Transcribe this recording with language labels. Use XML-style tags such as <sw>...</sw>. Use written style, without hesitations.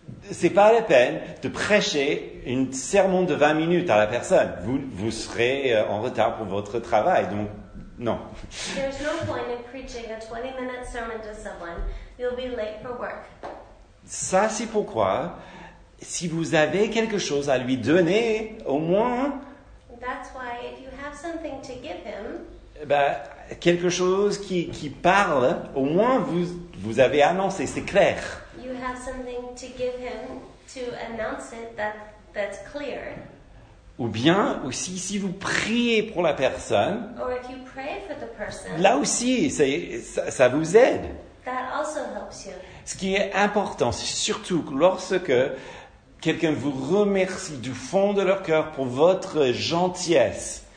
<fr>C'est pas la peine de prêcher une sermon de 20 minutes à la personne. Vous serez en retard pour votre travail, donc non.</fr> <en>There's no point in preaching a 20-minute sermon to someone. You'll be late for work.</en> <fr>Ça, c'est pourquoi, si vous avez quelque chose à lui donner, au moins,</fr> <en>that's why if you have something to give him,</en> <fr>quelque chose qui parle, au moins vous avez annoncé, c'est clair.</fr> <en>You have something to give him to announce it, that's clear.</en> <fr>Ou bien, aussi, si vous priez pour la personne,</fr> <en>or if you pray for the person,</en> <fr>là aussi, ça vous aide.</fr> <en>That also helps you.</en> <fr>Ce qui est important, c'est surtout lorsque quelqu'un vous remercie du fond de leur cœur pour votre gentillesse.</fr>